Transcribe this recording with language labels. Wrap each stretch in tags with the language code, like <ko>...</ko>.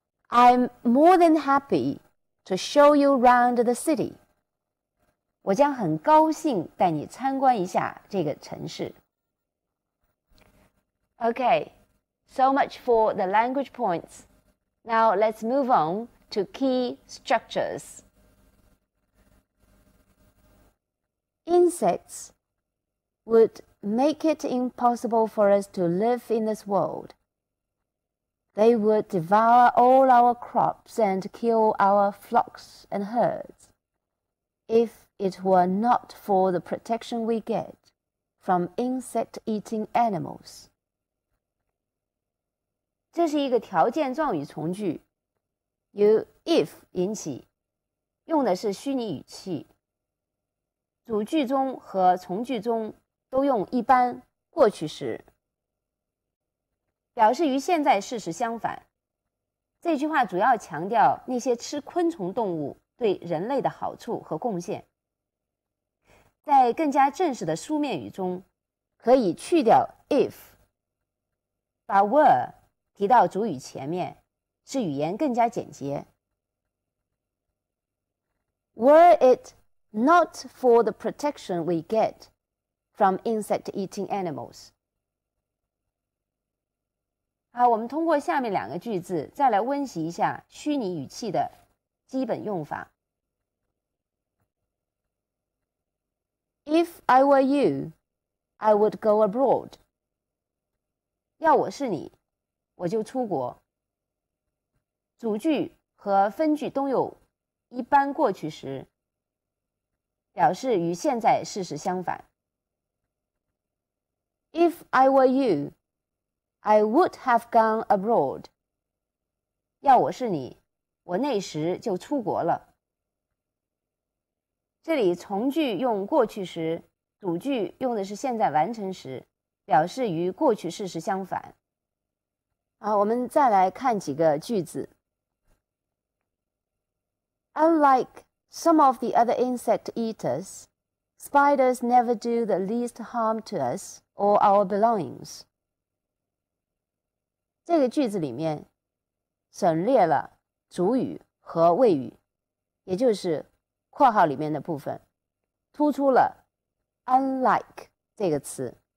<en>I'm more than happy to show you round the city.</en> <zh>我将很高兴带你参观一下这个城市。</zh> <en>Okay, so much for the language points. Now let's move on. To key structures. Insects would make it impossible for us to live in this world. They would devour all our crops and kill our flocks and herds if it were not for the protection we get from insect-eating animals.</en> <zh>这是一个条件状语从句。由 if 引起，用的是虚拟语气。主句中和从句中都用一般过去时，表示与现在事实相反。这句话主要强调那些吃昆虫动物对人类的好处和贡献。在更加正式的书面语中，可以去掉 if， 把 were 提到主语前面。使语言更加简洁。</zh> <en>Were it not for the protection we get from insect-eating animals?</en> <zh>好，我们通过下面两个句子再来温习一下虚拟语气的基本用法。</zh> <en>If I were you, I would go abroad.</en> <zh>要我是你，我就出国。主句和分句都有一般过去时，表示与现在事实相反。</zh> <en>If I were you, I would have gone abroad.</en> <zh>要我是你，我那时就出国了。这里从句用过去时，主句用的是现在完成时，表示与过去事实相反。好，我们再来看几个句子。</zh> <en>Unlike some of the other insect eaters, spiders never do the least harm to us or our belongings.</en> <zh>这个句子里面省略了主语和谓语，也就是括号里面的部分，突出了 unlike 这个词。</zh>